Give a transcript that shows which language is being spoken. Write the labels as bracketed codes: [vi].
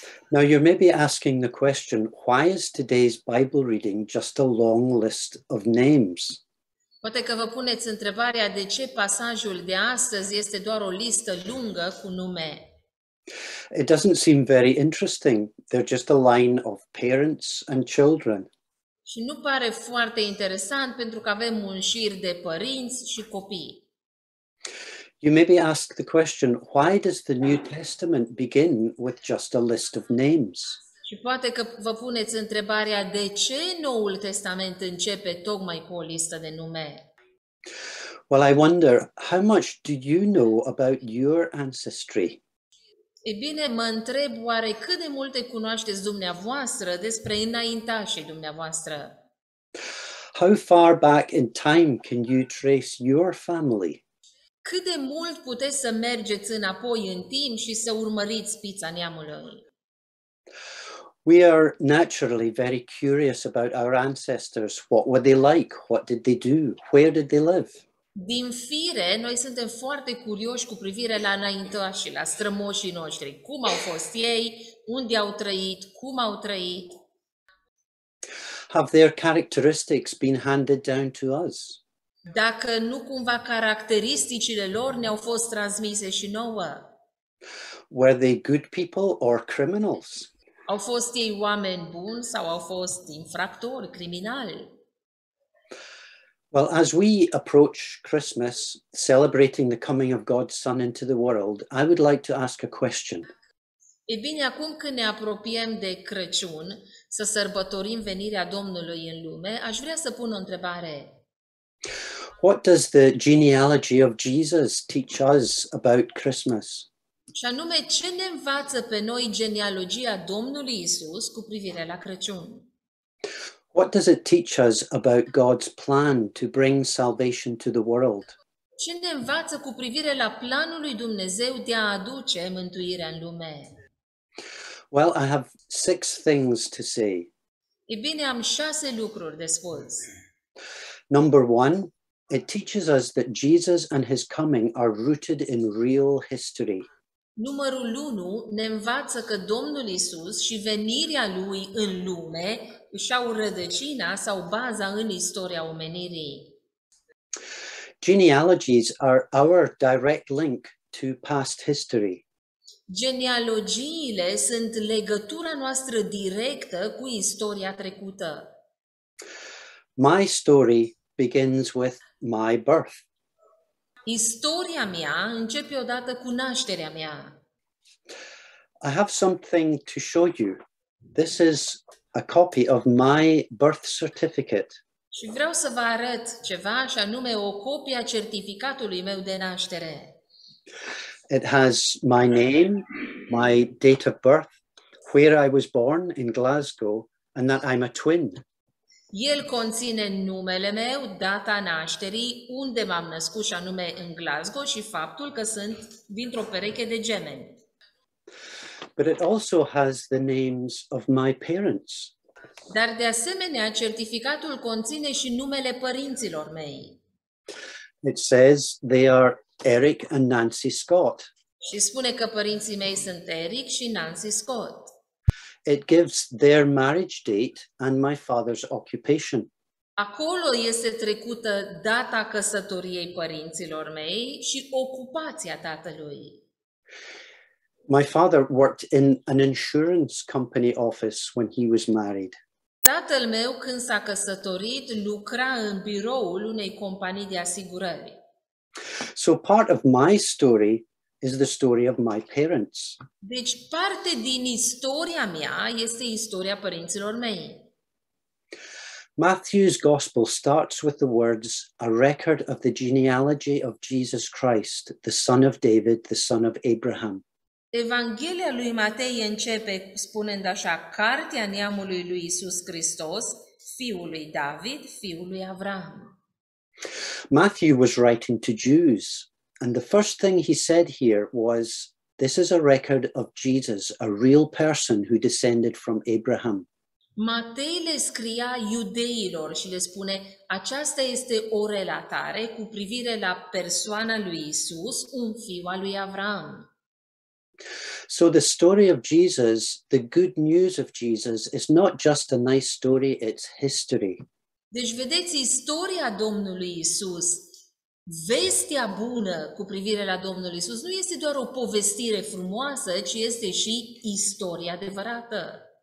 [en] Now you may be asking the question, why is today's Bible reading just a long list of names? [ro] Poate că vă puneți întrebarea de ce pasajul de astăzi este doar o listă lungă cu nume. [en] It doesn't seem very interesting. They're just a line of parents and children. [ro] Și nu pare foarte interesant pentru că avem un șir de părinți și copii. [en] You maybe ask the question, why does the New Testament begin with just a list of names? [ro] Și poate că vă puneți întrebarea de ce Noul Testament începe tocmai cu o listă de nume. [en] Well, I wonder, how much do you know about your ancestry? [ro] E bine, mă întreb oare cât de multe cunoașteți dumneavoastră despre înaintașii dumneavoastră? [en] How far back in time can you trace your family? [ro] Cât de mult puteți să mergeți înapoi în timp și să urmăriți pița neamului? [en] We are naturally very curious about our ancestors. What were they like? What did they do? Where did they live? [ro] Din fire, noi suntem foarte curioși cu privire la înaintașii, la strămoșii noștri. Cum au fost ei? Unde au trăit? Cum au trăit? [en] Have their characteristics been handed down to us? [ro] Dacă nu cumva caracteristicile lor ne-au fost transmise și nouă? [en] Were they good people or criminals? [ro] Au fost ei oameni buni sau au fost infractori, criminali? [en] Well, as we approach Christmas, celebrating the coming of God's Son into the world, I would like to ask a question. [ro] E bine, acum când ne apropiem de Crăciun, să sărbătorim venirea Domnului în lume, aș vrea să pun o întrebare. [en] What does the genealogy of Jesus teach us about Christmas? [ro] Și anume, ce ne învață pe noi genealogia Domnului Isus cu privire la Crăciun? [en] What does it teach us about God's plan to bring salvation to the world? [ro] Ce ne învață cu privire la planul lui Dumnezeu de a aduce mântuirea în lume? [en] Well, I have six things to say. [ro] E bine, am șase lucruri de spus. [en] Number one, it teaches us that Jesus and his coming are rooted in real history. [ro] Numărul 1 ne învață că Domnul Iisus și venirea lui în lume își au rădăcina sau baza în istoria omenirii. [en] Genealogies are our direct link to past history. [ro] Genealogiile sunt legătura noastră directă cu istoria trecută. [en] My story begins with my birth. [ro] Istoria mea începe odată cu nașterea mea. [en] I have something to show you. This is a copy of my birth certificate. [ro] Și vreau să vă arăt ceva, și anume o copie a certificatului meu de naștere. [en] It has my name, my date of birth, where I was born in Glasgow, and that I'm a twin. [ro] El conține numele meu, data nașterii, unde m-am născut, și anume în Glasgow, și faptul că sunt dintr-o pereche de gemeni. [en] But it also has the names of my parents. [ro] Dar de asemenea, certificatul conține și numele părinților mei. [en] It says they are Eric and Nancy Scott. [ro] Și spune că părinții mei sunt Eric și Nancy Scott. [en] It gives their marriage date and my father's occupation. [ro] Acolo este trecută data căsătoriei părinților mei și ocupația tatălui. [en] My father worked in an insurance company office when he was married. [ro] Tatăl meu, când s-a căsătorit, lucra în biroul unei companii de asigurări. [en] So part of my story is the story of my parents. [ro] Deci parte din istoria mea este istoria părinților mei. [en] Matthew's gospel starts with the words, a record of the genealogy of Jesus Christ, the son of David, the son of Abraham. [ro] Evanghelia lui Matei începe spunând așa, Cartea neamului lui Iisus Hristos, fiul lui David, fiul lui Avraam. [en] Matthew was writing to Jews, and the first thing he said here was, this is a record of Jesus, a real person who descended from Abraham. [ro] Matei le scria iudeilor și le spune, aceasta este o relatare cu privire la persoana lui Iisus, un fiu al lui Avraam. [en] So the story of Jesus, the good news of Jesus, is not just a nice story, it's history. [ro] Deci vedeți, istoria Domnului Isus, vestea bună cu privire la Domnul Isus, nu este doar o povestire frumoasă, ci este și istoria adevărată.